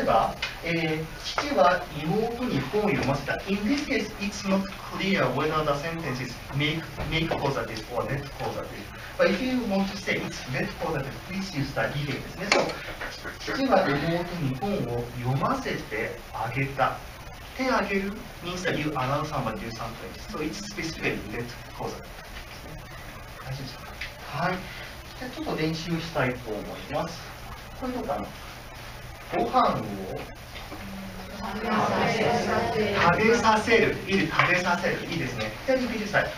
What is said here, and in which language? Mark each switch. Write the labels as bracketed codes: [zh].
[ja] 例えば、父は妹に本を読ませた。 [en] In this case, it's not clear whether the sentence is make causative or let causative. But if you want to say it's let causative, please use the giving [ja] ですね。 So, 父は妹に本を読ませてあげた。 [en] 手あげる means that you allow someone to do something. So it's specifically let causative. [ja] 大丈夫ですか？はい。じゃあちょっと練習したいと思います。これどうかな？ご飯を食べさせる。いい、食べさせる。いいですね。じゃあ準備してください。